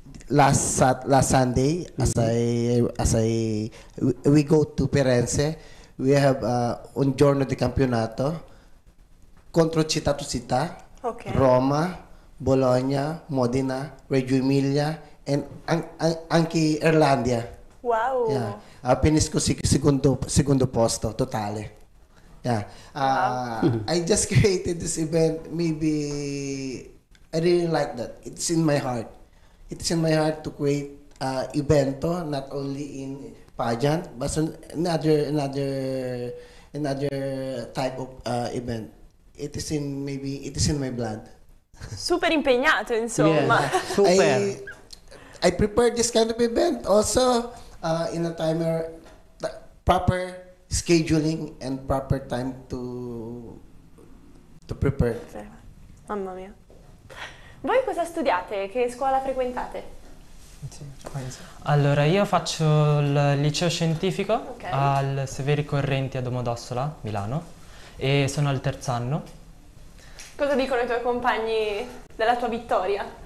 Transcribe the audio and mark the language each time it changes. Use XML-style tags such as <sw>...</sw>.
<en>Last Sunday, we go to Firenze, we have</en> <it>un giorno di campionato contro città to città, okay.</it> <en>Roma, Bologna, Modena, Reggio Emilia, and anche Irlandia. Wow! Yeah.</en> <it>Finisco secondo posto totale. Yeah. Wow.</it> <en>I just created this event, maybe I really like that. It's in my heart. It's in my heart to create evento, not only in pageant, but another type of event. It is in my blood.</en> <it>Super impegnato, insomma. Yeah. Super.</it> <en>I prepared this kind of event also in a timer, proper scheduling and proper time to prepare.</en> <it>Mamma mia. Voi cosa studiate? Che scuola frequentate? Allora, io faccio il liceo scientifico al Severi Correnti a Domodossola, Milano, e sono al terzo anno. Cosa dicono i tuoi compagni della tua vittoria?</it>